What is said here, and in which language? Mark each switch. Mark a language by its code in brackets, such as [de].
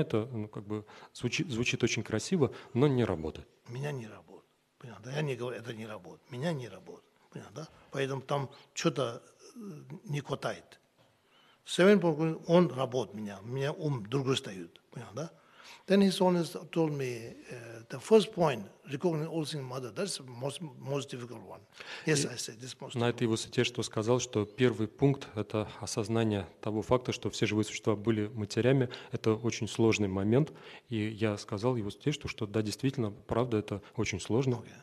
[ru] это как бы звучит очень красиво, но не работает. Меня не работает, понятно? Я не говорю, это не работает, меня не работает, понятно? Поэтому там что-то не хватает. Seven point, он работает меня, у меня ум другой стоит, понятно, да? [en] Then his holiness told me the first point, recognizing all things mother, that's most difficult one. Yes, I said this most. [ru] На это его святейшество сказал, что первый пункт это осознание того факта, что все живые существа были матерями, это очень сложный момент, и я сказал его святейшеству, что да, действительно, правда, это очень сложно.